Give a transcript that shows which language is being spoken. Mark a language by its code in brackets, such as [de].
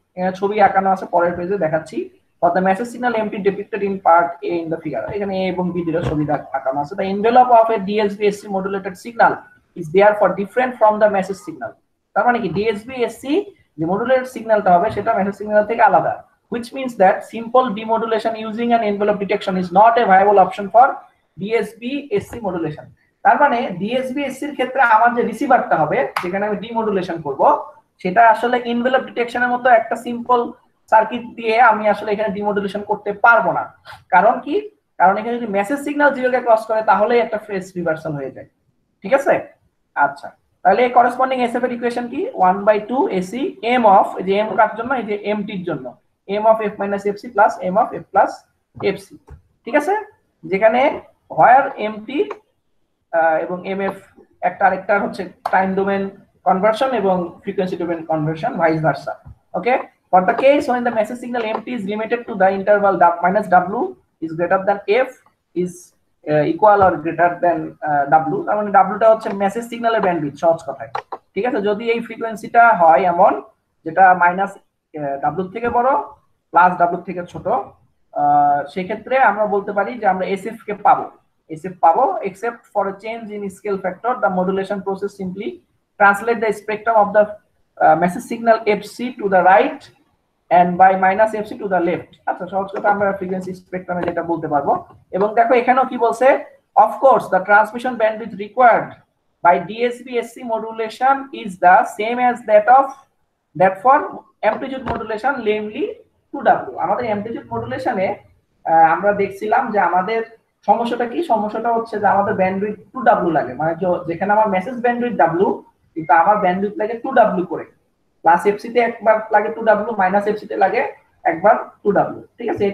[bn] এখানে ছবি আঁকানো আছে, পরের পেজে দেখাচ্ছি। [en] for the message signal m t depicted in part A in the figure, [bn] এখানে এ এবং বি দুটো ছবি আঁকানো আছে। [en] The envelope of a DSB SC modulated signal is there for different from the message signal. [bn] তার মানে কি ডিএসবি এসসি যে মডুলেটেড সিগন্যালটা হবে সেটা মেসেজ সিগন্যাল থেকে আলাদা। [en] Which means that simple demodulation using an envelope detection is not a viable option for DSB SC modulation. [bn] তার মানে DSB SC এর ক্ষেত্রে আমার যে রিসিভারটা হবে যেখানে আমি demodulation করব সেটা আসলে envelope detection এর মতো একটা simple circuit দিয়ে আমি আসলে এখানে demodulation করতে পারবো না। কারণ কি? কারণ এখানে যদি message signal zero কে cross করে তাহলেই একটা phase reversal হয়ে যায়। ঠিক আছে? আচ্ছা তাহলে corresponding SF এর equation কি 1/2 AC m of যে m কার জন্য, এই যে MT এর জন্য m of f minus fc plus m of f plus fc, ঠিক আছে? যেখানে where mt এবং mf একটা আরেকটা হচ্ছে টাইম ডোমেন কনভার্সন এবং frequency domain conversion vice versa. [en] okay, for the case when the message signal mt is limited to the interval minus w is greater than f is equal or greater than w, [bn] তার মানে w টা হচ্ছে message signal এর bandwidth সহজ কথায়, ঠিক আছে? যদি এই ফ্রিকোয়েন্সিটা হয় এমন যেটা মাইনাস W থেকে বড় প্লাস W থেকে ছোট, সেক্ষেত্রে আমরা বলতে পারি যে আমরা SF কে পাবো, SF পাবো [en] except for a change in scale factor the modulation process simply translate the spectrum of the message signal FC to the right and by minus FC to the left. [bn] আচ্ছা সহজ কথা আমরা frequency spectrum এ যেটা বলতে পারবো। এবং দেখো এখানেও কি বলছে, [en] of course the transmission bandwidth required by DSB SC modulation is the same as that of that for amplitude modulation namely 2W. [bn] আমাদের amplitude modulation এ আমরা দেখছিলাম যে আমাদের সমস্যাটা কি, সমস্যাটা হচ্ছে যে আমাদের bandwidth 2W লাগে, মানে যেখানে আমার message bandwidth W কিন্তু আমার bandwidth লাগে 2W করে, প্লাস FC তে একবার লাগে 2W, মাইনাস FC তে লাগে একবার 2W, ঠিক আছে?